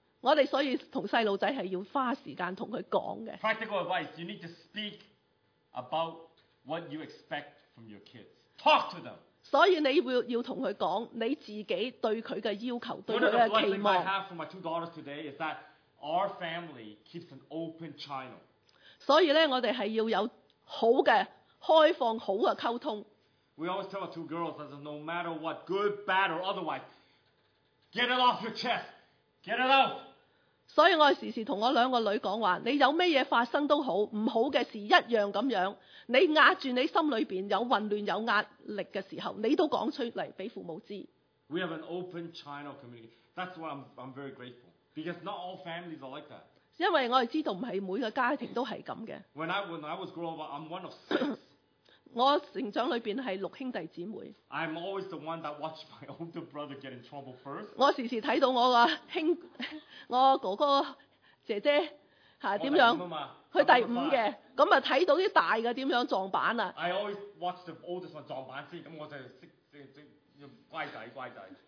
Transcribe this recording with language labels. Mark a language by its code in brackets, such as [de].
[yue] 我哋所以同細路仔係要花時間同佢講嘅。 [en] Practical advice: You need to speak about what you expect from your kids. Talk to them. [yue] 所以你要同佢講你自己對佢嘅要求，對佢嘅期望。 [en] One of the blessings I have for my two daughters today is that our family keeps an open channel. [yue] 所以咧，我哋係要有好嘅開放、好嘅溝通。 [en] We always tell our two girls that no matter what, good, bad, or otherwise, get it off your chest. Get it out. [yue] 所以我時時同我兩個女講話，你有咩嘢發生都好，唔好嘅事一樣咁樣，你壓住你心裏邊有混亂、有壓力嘅時候，你都講出嚟俾父母知。 [en] We have an open channel community. That's why I'm very grateful because not all families are like that. [yue] 因為我係知道唔係每個家庭都係咁嘅。 [en] When I was growing up, I'm one of six. [yue] 我成長裏邊係六兄弟姊妹。 [en] I'm always the one that watched my older brother get in trouble first. [yue] 我時時睇到我哥哥姐姐嚇點樣，佢第五嘅，咁啊睇到啲大嘅點樣撞板啊。 [en] I always watch the oldest one [yue] 撞板先，咁我就識即乖仔乖仔。